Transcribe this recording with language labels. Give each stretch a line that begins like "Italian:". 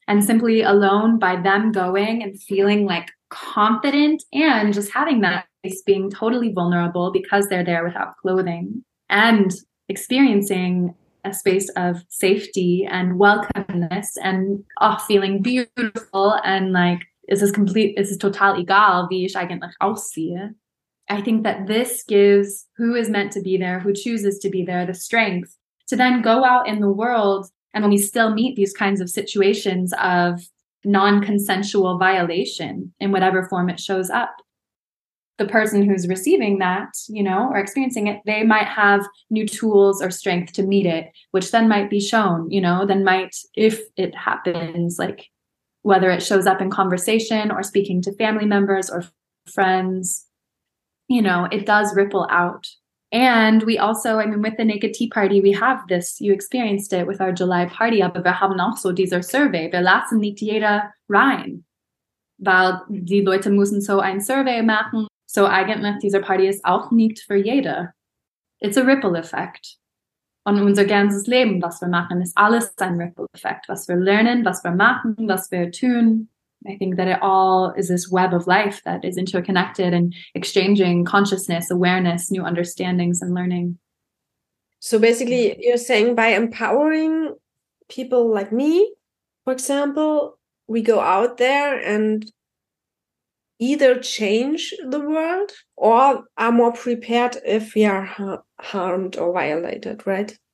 English: And simply alone by them going and feeling like confident and just having that space, being totally vulnerable because they're there without clothing and experiencing a space of safety and welcomeness and feeling beautiful and like
German: es ist total egal, wie ich eigentlich aussehe.
English: I think that this gives who is meant to be there, who chooses to be there, the strength to then go out in the world. And when we still meet these kinds of situations of non-consensual violation in whatever form it shows up, the person who's receiving that, you know, or experiencing it, they might have new tools or strength to meet it, which then might be shown, you know, then might, if it happens, like whether it shows up in conversation or speaking to family members or friends, you know, it does ripple out. And we also, I mean, with the Naked Tea Party, we have this, you experienced it with our July party,
German: aber wir haben auch so dieser Survey, wir lassen nicht jeder rein, weil die Leute müssen so ein Survey machen. So eigentlich, dieser Party ist auch nicht für jeder.
English: It's a ripple effect.
German: Und unser ganzes Leben, was wir machen, ist alles ein ripple effect. Was wir lernen, was wir machen, was wir tun.
English: I think that it all is this web of life that is interconnected and exchanging consciousness, awareness, new understandings and learning. So basically, you're saying by empowering people like me, for example, we go out there and either change the world or are more prepared if we are harmed or violated, right?